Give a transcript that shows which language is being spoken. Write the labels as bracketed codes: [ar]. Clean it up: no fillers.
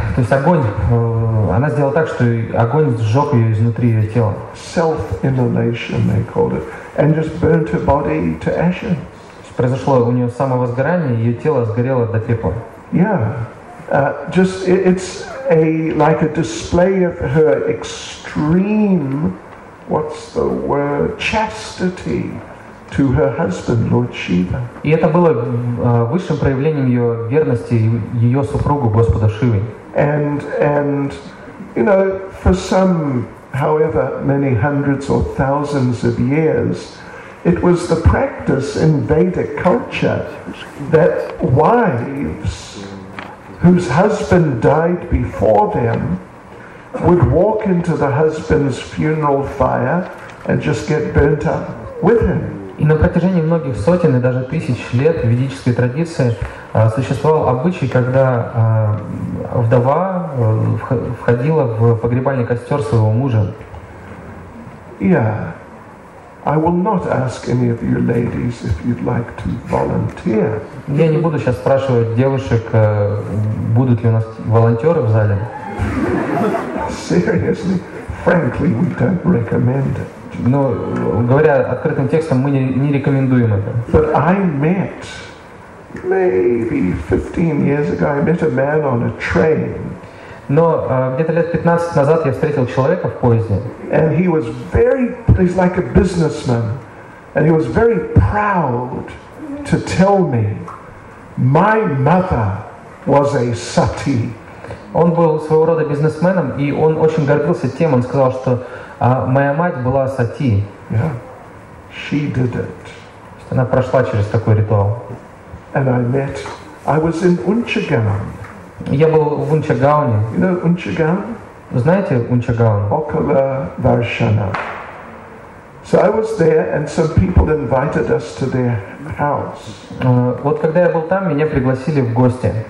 [ru] Она сделала так, что огонь сжег ее изнутри, ее тела. [en] Self-immolation, they called it, and just burnt her body to ashes. [ru] Произошло у нее самовозгорание, ее тело сгорело до пепла. [en] Yeah, just it's a like a display of her extreme, what's the word, chastity to her husband, Lord Shiva. [ru] И это было высшим проявлением ее верности ее супругу Господа Шивы. [en] And you know, for some, however many hundreds or thousands of years, it was the practice in Vedic culture that wives whose husband died before them would walk into the husband's funeral fire and just get burnt up with him. [ru] И на протяжении многих сотен и даже тысяч лет ведической традиции существовал обычай, когда вдова входила в погребальный костер своего мужа. Yeah. [en] I will not ask any of you ladies if you'd like to volunteer. [ru] Я не буду сейчас спрашивать девушек, будут ли у нас волонтеры в зале. [en] Seriously, frankly, we don't recommend it. [ru] Но говоря открытым текстом, мы не рекомендуем это. [en] But I met maybe 15 years ago, I met a man on a train. [ru] Но где-то лет 15 назад я встретил человека в поезде. [en] And he was very, he's like a businessman, and he was very proud to tell me, my mother was a sati. [ru] Он был своего рода бизнесменом, и он очень гордился тем, он сказал, что моя мать была сати. [en] Yeah. She did it. [ru] Она прошла через такой ритуал. [en] And I was in Unchagam. [ru] Я был в Унчагауне. [en] You know Unchagam? [ru] Знаете Унчагаун? Около Варшана. [en] So I was there, and some people invited us to their house. [ru] Вот когда я был там, меня пригласили в гости.